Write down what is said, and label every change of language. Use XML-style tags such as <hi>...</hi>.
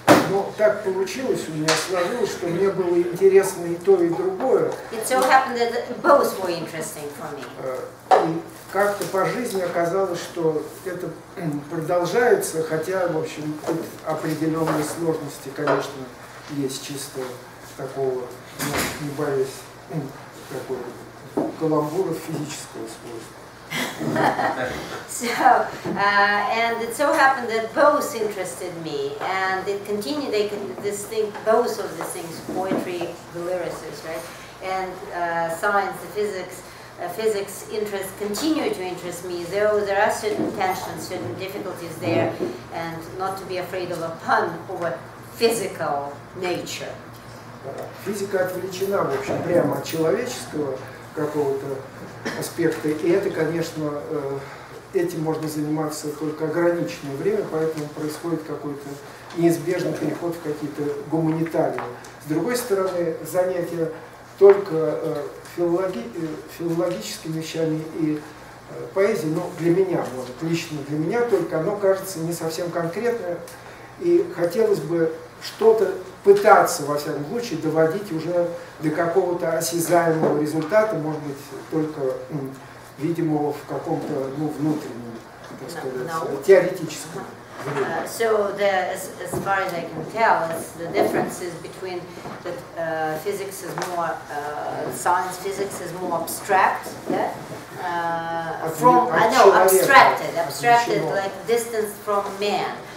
<ru>Но так получилось, у меня сложилось, что мне было интересно и то, и другое.</ru> <en>It so happened that both were interesting for me.</en> <ru>И как-то по жизни оказалось, что это продолжается, хотя, в общем, тут определенные сложности, конечно, есть чисто такого, не боясь, такого каламбура физического свойства.</ru> <en>And it so happened that both interested me, and it continued. They could distinct both of the things: poetry, the lyricists, right, and science, the physics. Physics interest continued to interest me, though there are certain tensions, certain difficulties there, and not to be afraid of a pun over physical nature.</en> <ru>Физика отвлечена, в общем, прямо от человеческого какого-то аспекты. И это, конечно, этим можно заниматься только ограниченное время, поэтому происходит какой-то неизбежный переход в какие-то гуманитарии. С другой стороны, занятия только филологическими вещами и поэзией, ну, для меня, может, лично для меня только, оно кажется не совсем конкретное, и хотелось бы что-то пытаться, во всяком случае, доводить уже до какого-то осязаемого результата, может быть, только видимого в каком-то, ну, внутреннем, так сказать, теоретическом.</ru> <en>So the, as far as I can tell, it's the differences between that physics is more science, physics is more abstract. Yeah? From I know abstracted, like distance from man.</en>